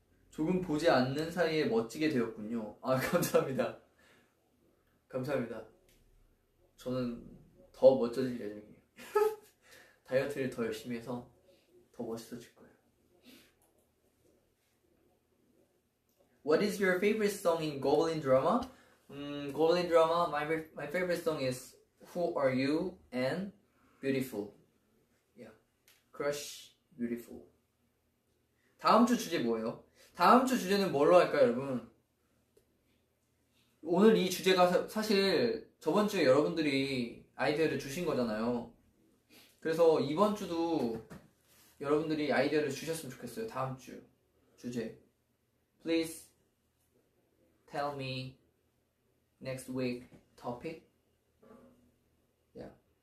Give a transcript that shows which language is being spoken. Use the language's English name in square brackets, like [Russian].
[Korean] 조금 보지 않는 사이에 멋지게 되었군요. 아, 감사합니다. 감사합니다. 저는 더 멋져질 예정이에요. 다이어트를 더 열심히 해서 더 멋있어질 거예요. [English] What is your favorite song in Goblin Drama? Goblin Drama, my favorite song is Who Are You and Beautiful. Yeah, Crush Beautiful. [Korean] 다음 주 주제 뭐예요? 다음 주 주제는 뭘로 할까요, 여러분? 오늘 이 주제가 사실 저번 주에 여러분들이 아이디어를 주신 거잖아요. 그래서 이번 주도 여러분들이 아이디어를 주셨으면 좋겠어요. 다음 주 주제. [English] Please tell me next week topic. Yeah.